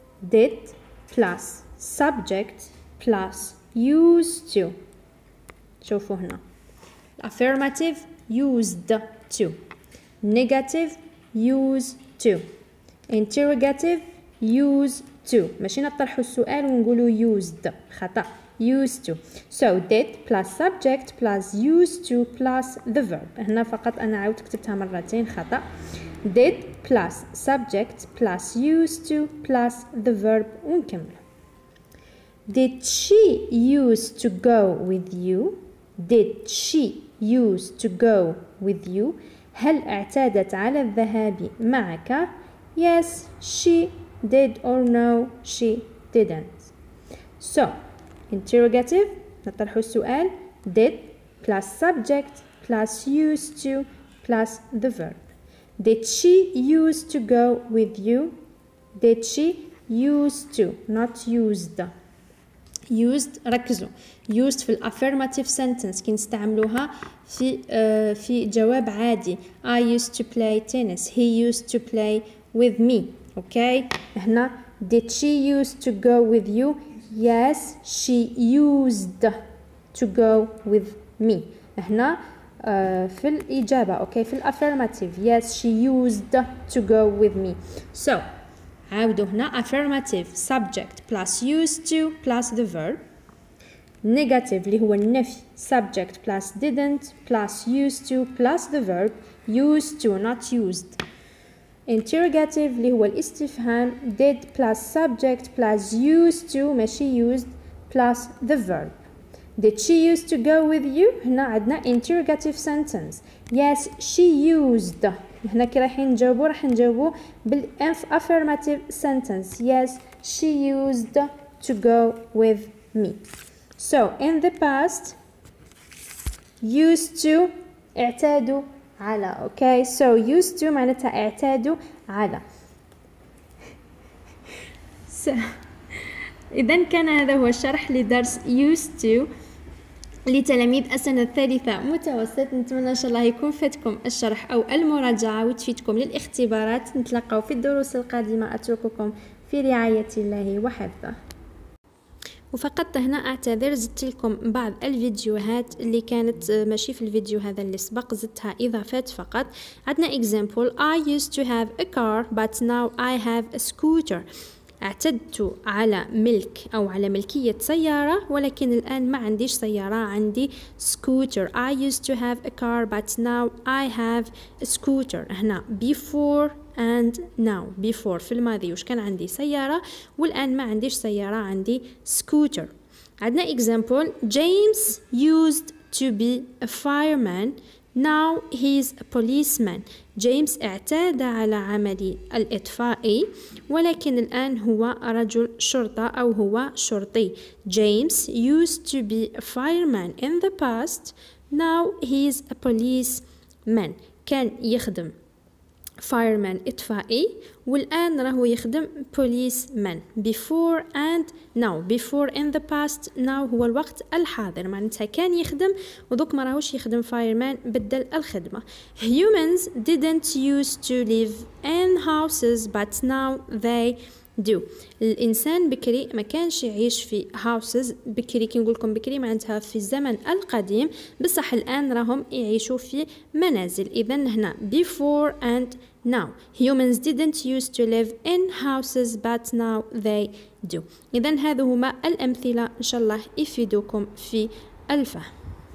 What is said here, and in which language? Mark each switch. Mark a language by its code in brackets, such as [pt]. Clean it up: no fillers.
[en] Did plus subject plus used to. [ar] شوفوا هنا. [en] Affirmative used to. Negative used to. Interrogative used to. To. [ar] ماشي نطرحوا السؤال ونقولوا used. خطأ. Used to. [en] So did plus subject plus used to plus the verb. [ar] هنا فقط أنا عاود كتبتها مرتين. [en] خطأ. Did plus subject plus used to plus the verb. ونكمل. Did she used to go with you? Did she used to go with you? [ar] هل اعتادت على الذهاب معك؟ [en] Yes, she did or no, she didn't. So, interrogative, [ar] نطرحوا السؤال, [en] did plus subject plus used to plus the verb. Did she used to go with you? Did she used to, not used. [ar] Used, ركزوا, used في الaffirmative sentence, كي نستعملوها في جواب عادي. [en] I used to play tennis, he used to play with me. Okay, هنا did she used to go with you? Yes, she used to go with me. [ar] هنا في الإجابة, okay, في الaffirmative. [en] Yes, she used to go with me. So, [ar] عودوا هنا [en] affirmative subject plus used to plus the verb. Negative, [ar] اللي هو النفي, [en] subject plus didn't plus used to plus the verb. Used to, not used. Interrogative, [ar] اللي هو الاستفهام, [en] did plus subject plus used to, ماشي used, plus the verb. Did she used to go with you? [ar] هنا عدنا [en] interrogative sentence. Yes, she used. [ar] هنا كي رح نجاوبو بالaffirmative sentence. [en] Yes, she used to go with me. So, in the past, used to, [ar] اعتادوا على. [en] Okay, so used to [ar] معناتها اعتادوا على. So, إذن كان هذا هو الشرح لدرس used to لتلاميذ السنة الثالثة متوسط. نتمنى إن شاء الله يكون فاتكم الشرح أو المراجعة وتفيدكم للاختبارات. نتلقوا في الدروس القادمة. أترككم في رعاية الله وحفظه. وفقط هنا أعتذر, زدت لكم بعض الفيديوهات اللي كانت ماشي في الفيديو هذا اللي سبق, زدتها إضافات فقط. [en] عندنا example, I used to have a car but now I have a scooter. [ar] اعتدت على ملك أو على ملكية سيارة ولكن الآن ما عنديش سيارة, عندي scooter. [en] I used to have a car but now I have a scooter. [ar] هنا [en] before and now, [ar] before في الماضي وش كان عندي سيارة والآن ما عنديش سيارة, عندي scooter. [en] عندنا example, James used to be a fireman, now he's a policeman. [ar] James اعتاد على عمل الإطفائي ولكن الآن هو رجل شرطة أو هو شرطي. [en] James used to be a fireman in the past, now he's a policeman. [ar] كان يخدم fireman إطفائي والآن راهو يخدم policeman. [en] Before and now, before in the past, now [ar] هو الوقت الحاضر, معناتها كان يخدم وذوك ما راهوش يخدم fireman, بدل الخدمة. [en] Humans didn't used to live in houses but now they do. [ar] الإنسان بكري ما كانش يعيش في houses. بكري كي نقولكم بكري معناتها في الزمن القديم, بصح الآن راهم يعيشوا في منازل. إذن هنا before and [en] Now, humans didn't used to live in houses, but now they do. [ar] إذن هذه هما الأمثلة إن شاء الله يفيدوكم في الفهم.